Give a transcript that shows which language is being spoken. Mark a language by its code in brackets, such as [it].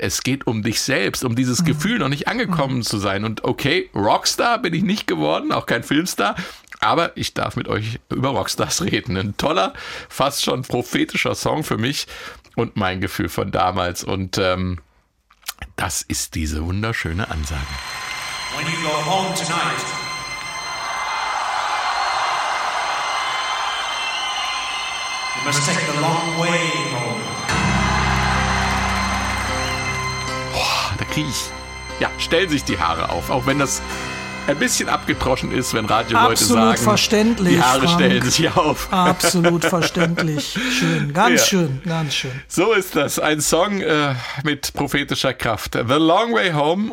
[de] Es geht um dich selbst, um dieses Gefühl, noch nicht angekommen zu sein. Und okay, Rockstar bin ich nicht geworden, auch kein Filmstar. Aber ich darf mit euch über Rockstars reden. Ein toller, fast schon prophetischer Song für mich und mein Gefühl von damals. Und das ist diese wunderschöne Ansage. [en] When you go home tonight, you must take the long way home. [de] Oh, da kriege ich. Ja, stellen sich die Haare auf, auch wenn das ein bisschen abgedroschen ist, wenn Radioleute sagen. Absolut verständlich. Die Haare Frank. Stellen sich auf. Absolut verständlich. Schön, ganz schön, ganz schön. So ist das. Ein Song mit prophetischer Kraft. The Long Way Home.